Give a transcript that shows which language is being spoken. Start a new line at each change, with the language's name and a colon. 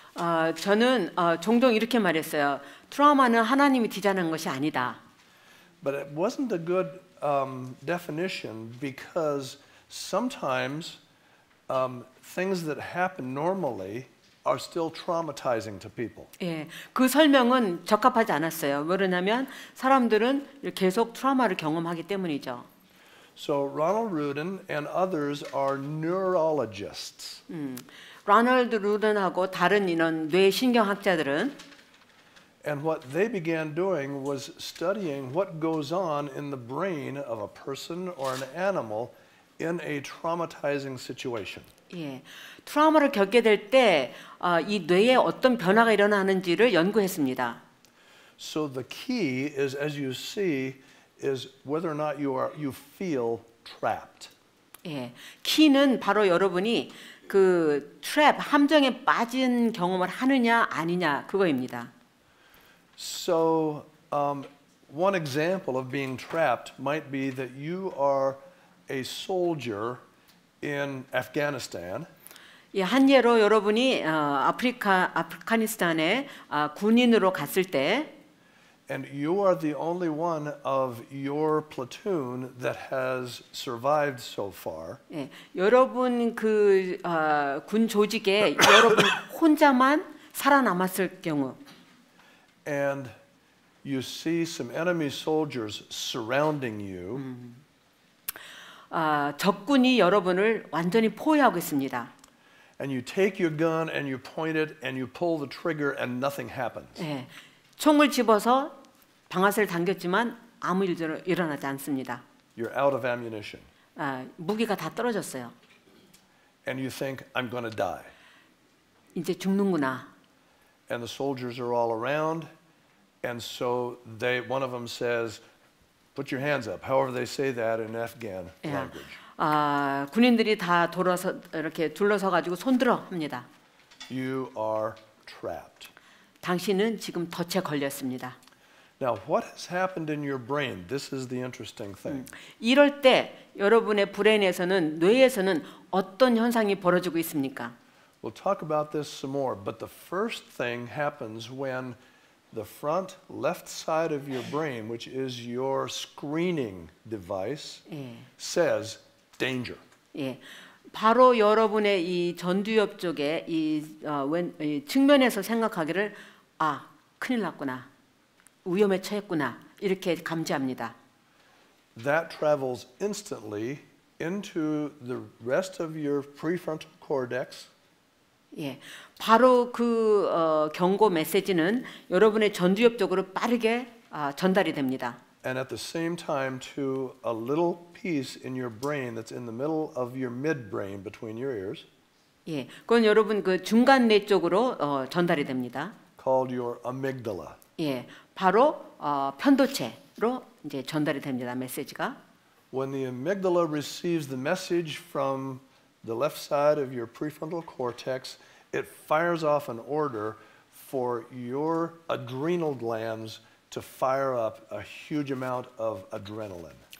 Korean: 저는 종종 이렇게 말했어요. 트라우마는 하나님이 디자인한 것이 아니다.
English: But it wasn't a good definition because sometimes things that happen normally are still traumatizing to people.
Korean: 예, 그 설명은 적합하지 않았어요. 왜냐하면 사람들은 계속 트라우마를 경험하기 때문이죠.
English: So Ronald Rudin and others are neurologists.
Korean: Ronald Rudin하고 다른 이런 뇌신경학자들은
English: And what they began doing was studying what goes on in the brain of a person or an animal in a traumatizing situation.
Korean: 예, 트라우마를 겪게 될 때 이 뇌에 어떤 변화가 일어나는지를 연구했습니다.
English: So the key is, as you see, is whether or not you feel trapped.
Korean: 예, 키는 바로 여러분이 그 트랩, 함정에 빠진 경험을 하느냐 아니냐 그거입니다.
English: So one example of being trapped might be that you are a soldier in Afghanistan.
Korean: 예, 한 예로 여러분이 아프가니스탄에 군인으로 갔을 때
English: and you are the only one of your platoon that has survived so far.
Korean: 예, 여러분 그 군 조직에 여러분 혼자만 살아남았을 경우
English: and you see some enemy soldiers surrounding you.
Korean: 적군이 여러분을 완전히 포위하고 있습니다.
English: And you take your gun and you point it and you pull the trigger and nothing happens.
Korean: 예, 총을 집어서 방아쇠를 당겼지만 아무 일도 일어나지 않습니다.
English: You're out of ammunition.
Korean: 무기가 다 떨어졌어요.
English: And you think I'm going to die.
Korean: 이제 죽는구나.
English: And the soldiers are all around, and so they one of them says, "Put your hands up." However they say that in Afghan language.
Korean: 군인들이 다 돌아서 이렇게 둘러서 가지고 손들어 합니다.
English: You are trapped.
Korean: 당신은 지금 덫에 걸렸습니다.
English: Now, what has happened in your brain? This is the interesting thing.
Korean: 이럴 때 여러분의 브레인에서는 뇌에서는 어떤 현상이 벌어지고 있습니까?
English: We'll talk about this some more, but the first thing happens when the front left side of your brain, which is your screening device,
Korean: 예.
English: says danger.
Korean: 예, 바로 여러분의 이 전두엽 쪽에 이 왼 측면에서 생각하기를 아 큰일 났구나. 위험에 처했구나 이렇게 감지합니다.
English: That travels instantly into the rest of your prefrontal cortex.
Korean: 예, 바로 그 경고 메시지는 여러분의 전두엽 쪽으로 빠르게 전달이 됩니다.
English: And at the same time to a little piece in your brain that's in the middle of your midbrain between your ears.
Korean: 예, 그건 여러분 그 중간 뇌 쪽으로 전달이 됩니다.
English: Called your amygdala.
Korean: 예. 바로 편도체로 이제 전달이 됩니다. 메시지가.
English: When the amygdala receives the message from the left side of your prefrontal cortex, it fires off an order for your adrenal glands to fire up a huge amount of adrenaline.